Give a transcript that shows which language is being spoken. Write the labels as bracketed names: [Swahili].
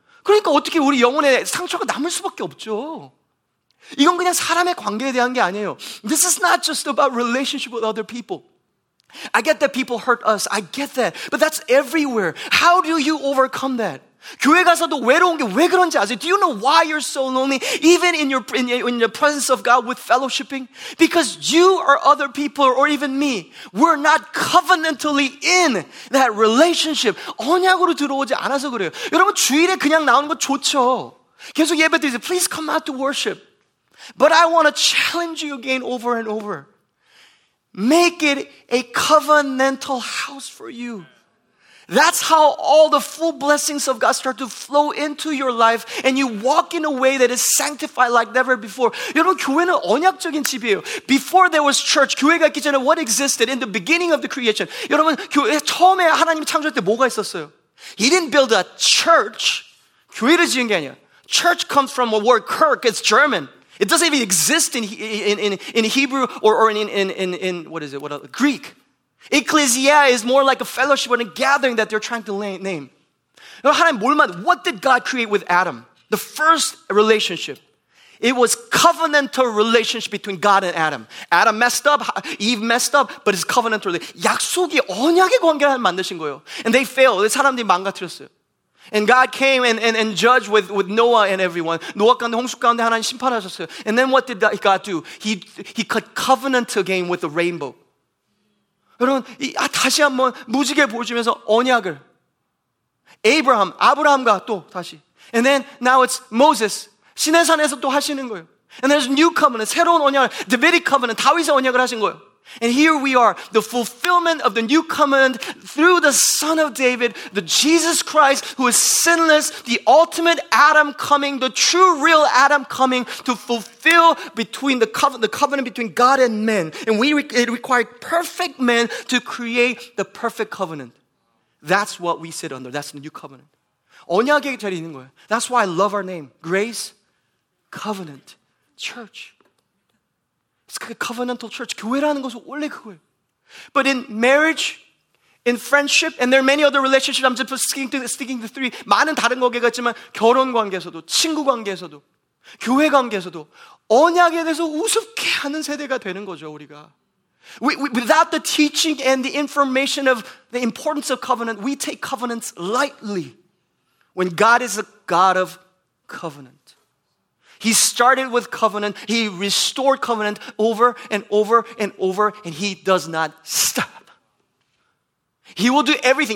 [Korean] 그러니까 어떻게 우리 영혼에 상처가 남을 수밖에 없죠. 이건 그냥 사람의 관계에 대한 게 아니에요. [English] This is not just about relationship with other people. I get that people hurt us. I get that. But that's everywhere. How do you overcome that? [Korean] 교회 가서도 외로운 게 왜 그런지 아세요? [English] Do you know why you're so lonely? Even in the presence of God with fellowshipping? Because you or other people or even me, we're not covenantally in that relationship. [Korean] 언약으로 들어오지 않아서 그래요. 여러분 주일에 그냥 나오는 거 좋죠. 계속 예배 드리세요. [English] Please come out to worship. But I want to challenge you again over and over. Make it a covenantal house for you. That's how all the full blessings of God start to flow into your life and you walk in a way that is sanctified like never before. [Korean] 여러분, 교회는 언약적인 집이에요. [English] Before there was church, [Korean] 교회가 있기 전에 [English] what existed in the beginning of the creation? [Korean] 여러분, 교회 처음에 하나님 창조할 때 뭐가 있었어요? [English] He didn't build a church. [Korean] 교회를 지은 게 아니야. [English] Church comes from a word, Kirk, it's German. It doesn't even exist in Hebrew or in Greek. Ecclesia is more like a fellowship and a gathering that they're trying to name. What did God create with Adam? The first relationship. It was covenantal relationship between God and Adam. Adam messed up, Eve messed up, but it's covenantal relationship. [Korean] 약속이 언약의 관계를 만드신 거예요. [English] And they failed. [Korean] 사람들이 망가뜨렸어요. [English] And God came and judged with Noah and everyone. [Korean] 노아 가운데 홍수 가운데 하나님 심판하셨어요. [English] And then what did God do? He cut covenant again with the rainbow. [Korean] 여러분, 다시 한번 무지개 보여주면서 언약을. [English] Abraham, [Korean] 아브라함과 또 다시. [English] And then now it's Moses. [Korean] 시내산에서 또 하시는 거예요. [English] And there's new covenant, [Korean] 새로운 언약, [English] Davidic covenant, [Korean] 다윗의 언약을 하신 거예요. [English] And here we are, the fulfillment of the new covenant through the Son of David, the Jesus Christ who is sinless, the ultimate Adam coming, the true real Adam coming to fulfill between the covenant between God and men. And it required perfect men to create the perfect covenant. That's what we sit under. That's the new covenant. [Korean] 언약의 자리에 있는 거예요. [English] That's why I love our name. Grace, covenant, church. It's a covenantal church. [Korean] 교회라는 것은 원래 그거예요. [English] But in marriage, in friendship, and there are many other relationships, I'm just sticking to three. [Korean] 많은 다른 관계 같지만 결혼 관계에서도, 친구 관계에서도, 교회 관계에서도 언약에 대해서 우습게 하는 세대가 되는 거죠, 우리가. [English] Without the teaching and the information of the importance of covenant, we take covenants lightly when God is a God of covenant. He started with covenant. He restored covenant over and over and over, and he does not stop. He will do everything.